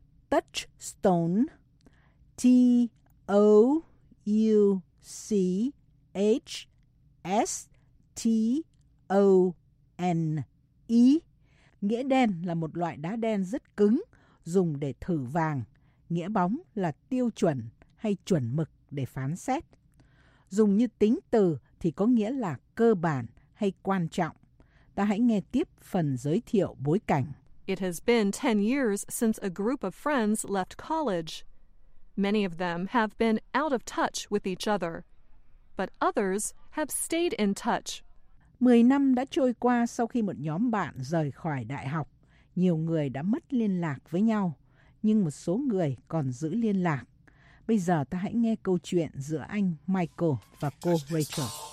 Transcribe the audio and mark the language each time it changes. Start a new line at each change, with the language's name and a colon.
Vietnamese: Touchstone, T-O-U-C-H-S-T-O-N-E, nghĩa đen là một loại đá đen rất cứng, dùng để thử vàng. Nghĩa bóng là tiêu chuẩn hay chuẩn mực để phán xét. Dùng như tính từ thì có nghĩa là cơ bản hay quan trọng. Ta hãy nghe tiếp phần giới thiệu bối cảnh.
English: It has been 10 years since a group of friends left college. Many of them have been out of touch with each other, but others have stayed in touch.
Vietnamese: 10 năm đã trôi qua sau khi một nhóm bạn rời khỏi đại học. Nhiều người đã mất liên lạc với nhau, nhưng một số người còn giữ liên lạc. Bây giờ ta hãy nghe câu chuyện giữa anh Michael và cô Rachel.